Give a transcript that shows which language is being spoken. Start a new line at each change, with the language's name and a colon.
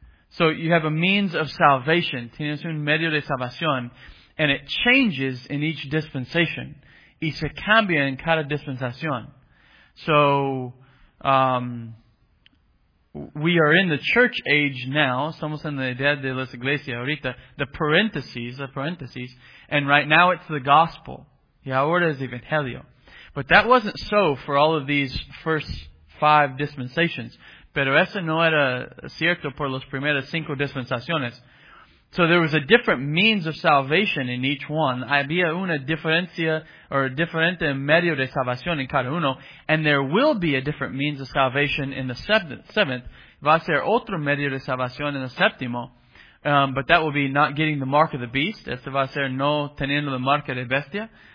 English: So you have a means of salvation.
Spanish: Tienes un medio de salvación.
English: And it changes in each dispensation.
Spanish: Y se cambia en cada dispensación.
English: So, we are in the church age now.
Spanish: Estamos en la edad de las iglesias ahorita.
English: The parentheses. And right now it's the gospel.
Spanish: Y ahora es evangelio.
English: But that wasn't so for all of these first five dispensations.
Spanish: Pero eso no era cierto por las primeras cinco dispensaciones.
English: So there was a different means of salvation in each one.
Spanish: Había una diferencia or a diferente medio de salvación en cada uno.
English: And there will be a different means of salvation in the seventh.
Spanish: Va a ser otro medio de salvación en el séptimo.
English: But that will be not getting the mark of the beast.
Spanish: Este va a ser no teniendo la marca de bestia.